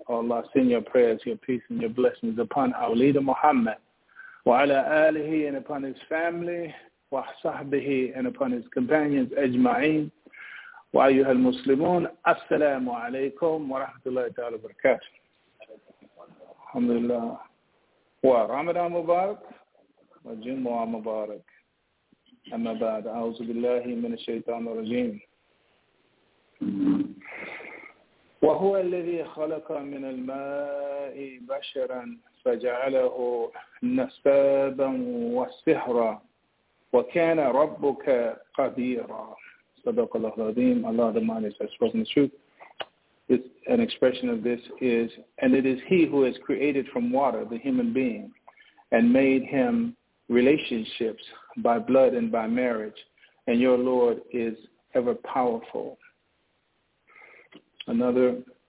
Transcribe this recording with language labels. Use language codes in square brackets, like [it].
[en] Oh Allah, send your prayers, your peace, and your blessings upon our leader Muhammad, [ar] وعلى آله, [en] and upon his family, [ar] وصحبه, [en] and upon his companions, [ar] أجمعين, وأيها المسلمون, السلام عليكم ورحمة الله تعالى وبركاته. الحمد لله. ورمضان مبارك وجمعة مبارك. أما بعد, أعوذ بالله من الشيطان الرجيم. وهو الذي خلق من الماء بشرا فجعله نسبا وسحرا وكان ربك قديرا. صدق الله العظيم. [en] Allah the mightiest has spoken the truth. It's an expression of this is, and it is He who has created from water the human being and made him relationships by blood and by marriage, and your Lord is ever powerful. Another,